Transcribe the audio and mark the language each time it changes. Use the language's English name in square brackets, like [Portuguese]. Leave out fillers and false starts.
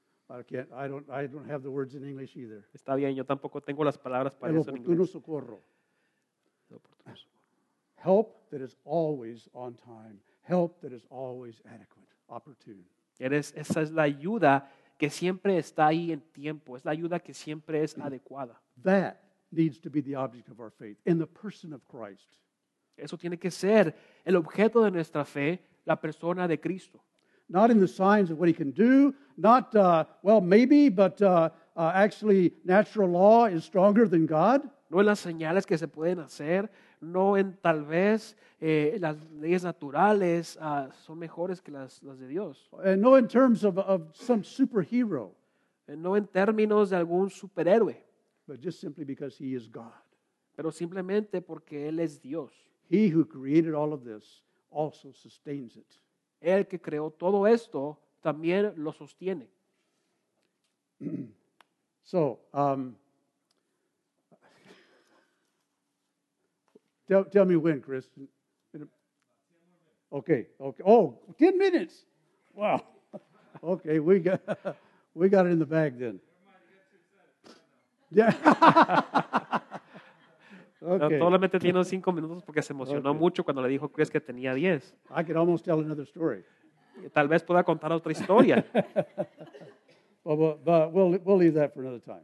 [English] I don't have the words in English either. [Spanish] Está bien, yo tampoco tengo las palabras para eso en inglés. El oportuno socorro. [English] Help that is always on time. Help that is always adequate, opportune. [Spanish] Esa es la ayuda que siempre está ahí en tiempo. Es la ayuda que siempre es adecuada. [English] That needs to be the object of our faith in the person of Christ. [Spanish] Eso tiene que ser el objeto de nuestra fe, la persona de Cristo. [English] Not in the signs of what He can do. Not, well, maybe, but actually natural law is stronger than God. [Spanish] No en las señales que se pueden hacer. No en tal vez las leyes naturales son mejores que las de Dios. [English] And no in terms of some superhero. [Spanish] No en términos de algún superhéroe. [English] but just simply because he is God. [Spanish] Pero simplemente porque él es Dios. [English] He who created all of this also sustains it. [Spanish] El que creó todo esto también lo sostiene. [English] So, tell me when, Chris. Okay. Oh, 10 minutes. Wow. Okay, we got it in the bag then. Yeah. [Spanish] Solamente tiene 5 minutos porque se emocionó mucho cuando le dijo Chris que tenía 10. [English] I could almost tell another story. [Spanish] Tal vez pueda contar otra historia. [English] But we'll leave that for another time.